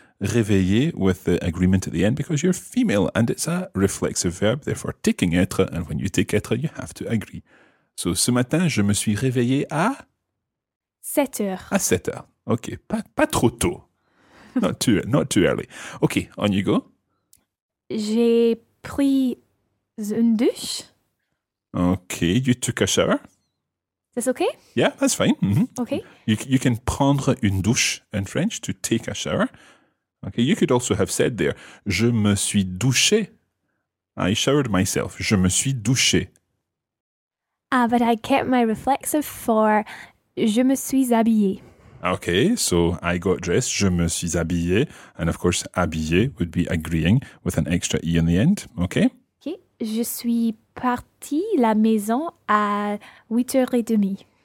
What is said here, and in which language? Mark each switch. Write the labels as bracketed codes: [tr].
[en] Réveillé with the agreement at the end because you're female and it's a reflexive verb, therefore taking être, and when you take être, you have to agree. [fr] So ce matin, je me suis réveillé à... 7 heures. À 7 heures. [en] Okay, [fr] pas trop tôt. [en] Not too early. Okay, on you go. [fr] J'ai pris une douche. [en] Okay, you took a shower. That's okay? Yeah, that's fine. Mm-hmm. Okay. You can [fr] prendre une douche [en] in French, to take a shower. Okay, you could also have said there, [fr] je me suis douché. [en] I showered myself. [fr] Je me suis douché. [en] Ah, but I kept my reflexive for je me suis habillé. Okay, so I got dressed, [fr] je me suis habillé, [en] and of course, habillé would be agreeing with an extra E in the end, okay? [fr] Okay, je suis parti la maison à 8h30.